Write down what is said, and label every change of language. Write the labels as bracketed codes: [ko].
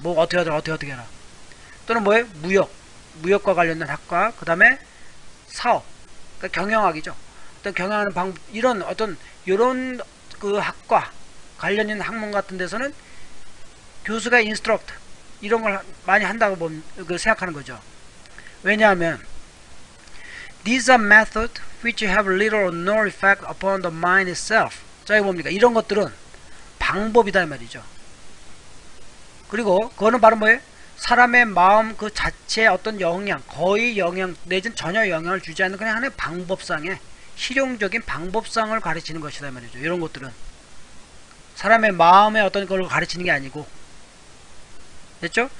[ko] 뭐 어떻게 하라. 또는 뭐예요? 무역과 관련된 학과 그 다음에 사업 그러니까 경영학이죠. 어떤 경영하는 방법 이런 어떤 이런 그 학과 관련 있는 학문 같은 데서는 교수가 인스트럭트 이런 걸 많이 한다고 생각하는 거죠. 왜냐하면 [en] these are methods which have little or no effect upon the mind itself. [ko] 자, 이게 뭡니까? 이런 것들은 방법이다 이 말이죠. 그리고 그거는 바로 뭐예요? 사람의 마음 그 자체의 어떤 영향 거의 영향 내지는 전혀 영향을 주지 않는 그냥 하나의 방법상의 실용적인 방법상을 가르치는 것이다 이 말이죠. 이런 것들은 사람의 마음의 어떤 걸 가르치는 게 아니고 됐죠?